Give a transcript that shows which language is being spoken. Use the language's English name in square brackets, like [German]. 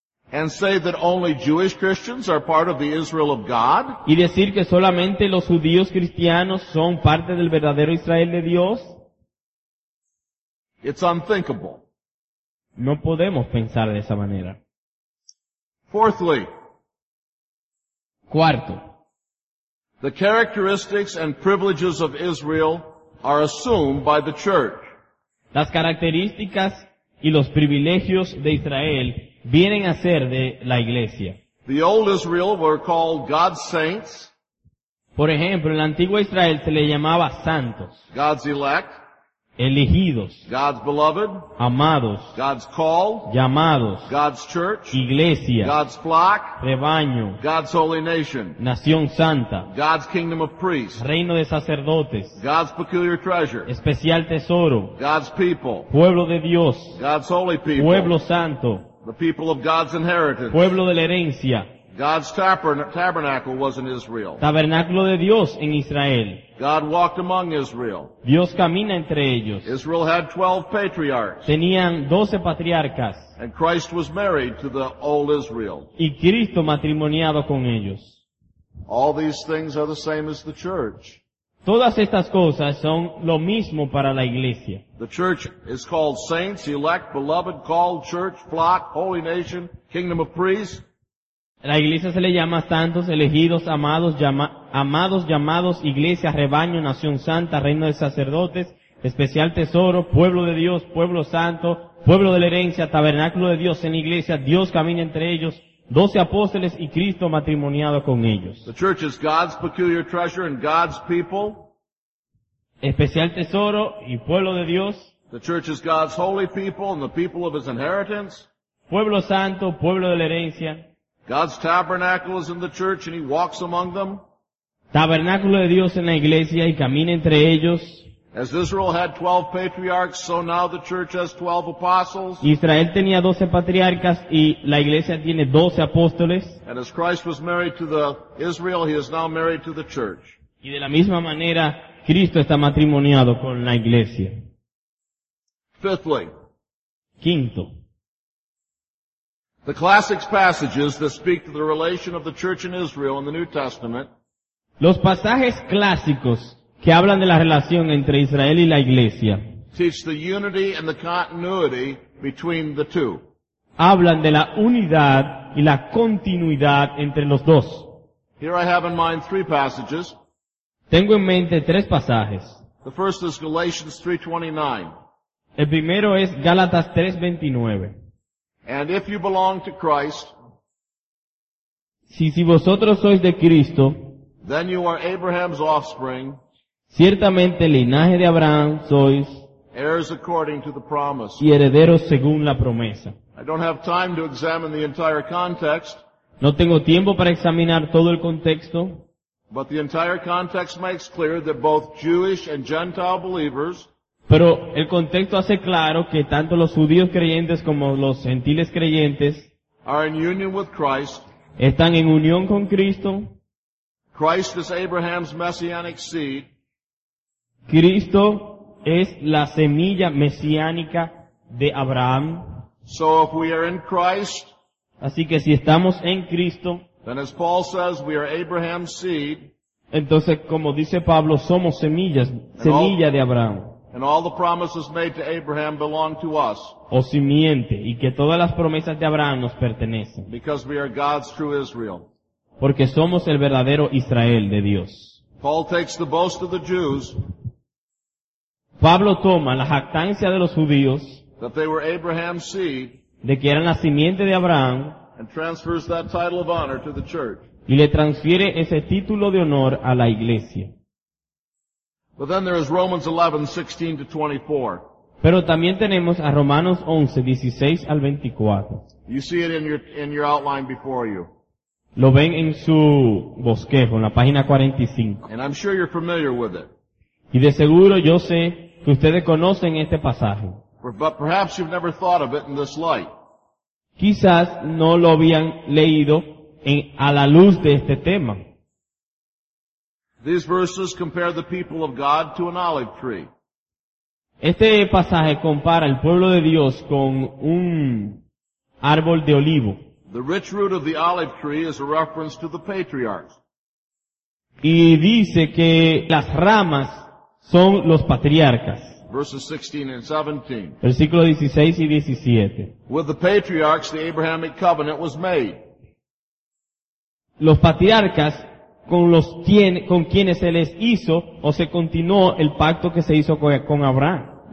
[English] and say that only Jewish Christians are part of the Israel of God, [Spanish] y decir que solamente los judíos cristianos son parte del verdadero Israel de Dios? [English] It's unthinkable. [Spanish] No podemos pensar de esa manera. [English] Fourthly. [Spanish] Cuarto. [English] The characteristics and privileges of Israel are assumed by the church. [Spanish] Las características y los privilegios de Israel vienen a ser de la iglesia. [English] The old Israel were called God's saints. [Spanish] Por ejemplo, en la antigua Israel se le llamaba santos. [English] God's elect. [Spanish] Elegidos. [English] God's beloved. [Spanish] Amados. [English] God's called. [Spanish] Llamados. [English] God's church. [Spanish] Iglesia. [English] God's flock. [Spanish] Rebaño. [English] God's holy nation. [Spanish] Nación santa. [English] God's kingdom of priests. [Spanish] Reino de sacerdotes. [English] God's peculiar treasure. [Spanish] Especial tesoro. [English] God's people. [Spanish] Pueblo de Dios. [English] God's holy people. [Spanish] Pueblo santo. [English] The people of God's inheritance. [Spanish] Pueblo de la herencia. [English] God's tabernacle was in Israel. [Spanish] Tabernáculo de Dios en Israel. [English] God walked among Israel. [Spanish] Dios camina entre ellos. [English] Israel had 12 patriarchs. [Spanish] Tenían 12 patriarcas. [English] And Christ was married to the old Israel. [Spanish] Y Cristo matrimoniado con ellos. [English] All these things are the same as the church. [Spanish] Todas estas cosas son lo mismo para la iglesia. [English] The church is called saints, elect, beloved, called, church, flock, holy nation, kingdom of priests. [Spanish] La iglesia se le llama santos, elegidos, amados, llamados, iglesia, rebaño, nación santa, reino de sacerdotes, especial tesoro, pueblo de Dios, pueblo santo, pueblo de la herencia, tabernáculo de Dios en la iglesia, Dios camina entre ellos, 12 apóstoles y Cristo matrimoniado con ellos. [English] The church is God's peculiar treasure and God's people. [Spanish] Especial tesoro y pueblo de Dios. [English] The church is God's holy people and the people of his inheritance. [Spanish] Pueblo santo, pueblo de la herencia. [English] God's tabernacle is in the church and he walks among them. [Spanish] Tabernáculo de Dios en la iglesia y camina entre ellos. [English] As Israel had 12 patriarchs, so now the church has 12 apostles. [Spanish] Israel tenía 12 patriarcas y la iglesia tiene 12 apóstoles. [English] And as Christ was married to the Israel, he is now married to the church. [Spanish] Y de la misma manera, Cristo está matrimoniado con la iglesia. [English] Fifthly. [Spanish] Quinto. [English] The classic passages that speak to the relation of the church and Israel in the New Testament. [Spanish] Los pasajes clásicos que hablan de la relación entre Israel y la iglesia. [English] Teach the unity and the continuity between the two. [Spanish] Hablan de la unidad y la continuidad entre los dos. [English] Here I have in mind three passages. [Spanish] Tengo en mente tres pasajes. [English] The first is Galatians 3:29. [Spanish] El primero es Gálatas 3:29. [English] And if you belong to Christ, [Spanish] si vosotros sois de Cristo, [English] then you are Abraham's offspring, [Spanish] ciertamente el linaje de Abraham sois, [English] heirs according to the promise, [Spanish] y herederos según la promesa. [English] I don't have time to examine the entire context, [Spanish] no tengo tiempo para examinar todo el contexto, [English] but the entire context makes clear that both Jewish and Gentile believers. [Spanish] Pero el contexto hace claro que tanto los judíos creyentes como los gentiles creyentes [English] are in union with Christ. [Spanish] Están en unión con Cristo. [English] Christ is Abraham's messianic seed. [Spanish] Cristo es la semilla mesiánica de Abraham. [English] So if we are in Christ, [Spanish] así que si estamos en Cristo, [English] then as Paul says, we are Abraham's seed. [Spanish] Entonces, como dice Pablo, somos semillas, semilla de Abraham. [English] And all the promises made to Abraham belong to us. [Spanish] O simiente, y que todas las promesas de Abraham nos pertenecen. [English] Because we are God's true Israel. [Spanish] Porque somos el verdadero Israel de Dios. [English] Paul takes the boast of the Jews. [Spanish] Pablo toma la jactancia de los judíos. [English] That they were Abraham's seed. [Spanish] De que eran la simiente de Abraham. [English] And transfers that title of honor to the church. [Spanish] Y le transfiere ese título de honor a la iglesia. [English] But then there is Romans 11:16-24. [Spanish] Pero también tenemos a Romanos 11, 16 al 24. [English] You see it in your outline before you. [Spanish] Lo ven en su bosquejo, en la página 45. [English] And I'm sure you're familiar with it. [Spanish] Y de seguro yo sé que ustedes conocen este pasaje. [English] But perhaps you've never thought of it in this light. [Spanish] Quizás no lo habían leído a la luz de este tema. [English] These verses compare the people of God to an olive tree. [Spanish] Este pasaje compara el pueblo de Dios con un árbol de olivo. [English] The rich root of the olive tree is a reference to the patriarchs. [Spanish] Y dice que las ramas son los patriarcas. [English] Verses 16 and 17. [Spanish] Versículos 16 y 17. [English] With the patriarchs, the Abrahamic covenant was made. [Spanish] Los patriarcas con quienes se les hizo o se continuó el pacto que se hizo con Abraham.